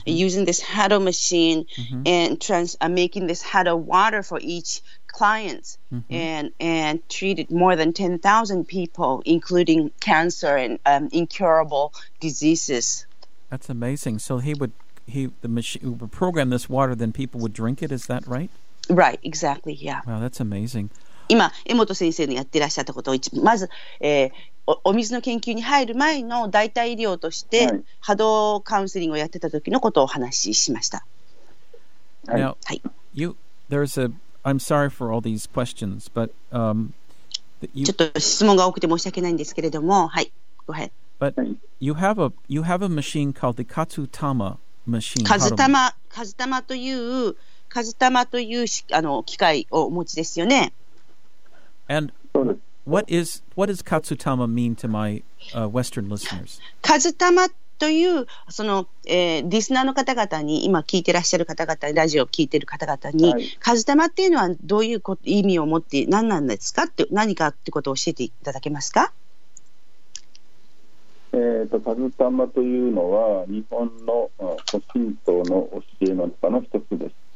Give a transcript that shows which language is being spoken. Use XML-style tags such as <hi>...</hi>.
<en>using this Hado machine、mm-hmm. and making this Hado water for each client、mm-hmm. and treated more than 10,000 people, including cancer and、incurable diseases. That's amazing. So the machine would program this water, then people would drink it. Is that right? Right, exactly. Yeah. Wow, that's amazing.</en> <ja>今江本先生のやってらっしゃったことを一まず、お水の研究に入る前の代替医療として、はい、波動カウンセリングをやってた時のことをお話ししました。</ja> <en>Now, はい。 You there's a I'm sorry for all these questions, but you,</en> <ja>ちょっと質問が多くて申し訳ないんですけれども、はい。</ja> <en>Go ahead. But you have a machine called the Kazutama machine.</en> <ja>Kazutama という Kazutama という機械をお持ちですよね。</ja> <en>And what is Kazutama mean to my、Western listeners?</en> <ja>Kazutama というその、リスナーの方々に今聞いてらっしゃる方々にラジオを聞いてる方々に Kazutama っていうのはどういう意味を持って何なんですかって何かってことを教えていただけますか？カズタマというのは日本の古神道の教えの中の一つです。</ja>